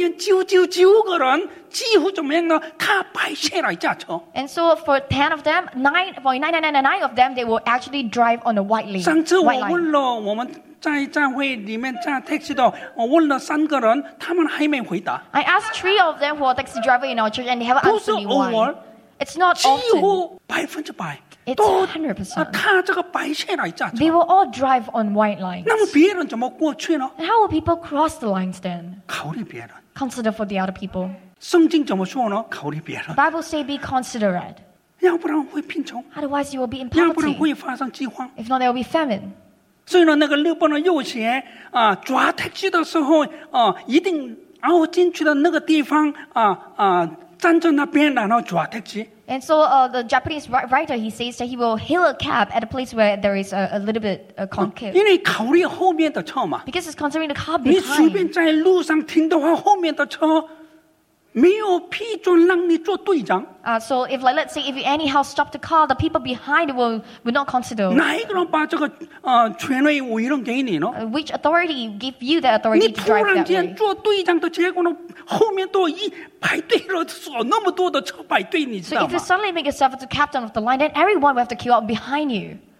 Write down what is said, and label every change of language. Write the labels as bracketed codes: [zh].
[zh] 不想到在这边有10个人的话，几乎9.9999个人。几乎怎么样呢？踏白线来驾车。 [en] And so for 10 of them, 9.9999 of them, they will actually drive on the white lane. [zh] 上次我问了我们。在站会里面驾taxi的，我问了3个人，他们还没回答。 [en] I asked 3 of them who are taxi driver in our church, and they haven't answered me one. It's not often. [zh] 几乎100%。 [en] It's 100%. [zh] 踏这个白线来驾车。 [en] They will all drive on white lines. [zh] 那么别人怎么过去呢？ [en] How will people cross the lines then? [zh] 考虑别人。 [en] Consider for the other people. [zh] 圣经怎么说呢？考虑别人。 [en] Bible say be considerate. Otherwise, you will be in poverty. If not, there will be famine. [zh] 所以呢, 那个日本的右前, 啊, 抓택시的时候, 啊, 一定, 然后进去的那个地方, 啊, 啊, 站在那边, 然后抓택시。 [en] And so the Japanese writer, he says that he will hail a cab at a place where there is a little bit concave. [zh] 因为考虑后面的车嘛, [en] because it's concerning the car behind. [zh] 你随便在路上停的话,后面的车, 没有批准让你做队长, [en] so if like, let's say if you anyhow stop the car, the people behind will not consider. [zh] 哪一个人把这个, 权威委任给你呢? [en] Which authority give you the authority to drive that way? [zh] 你突然间做队长的结果呢, 后面都一排队了,那么多的车排队, [en] so if you suddenly make yourself the captain of the line, then everyone will have to queue up behind you.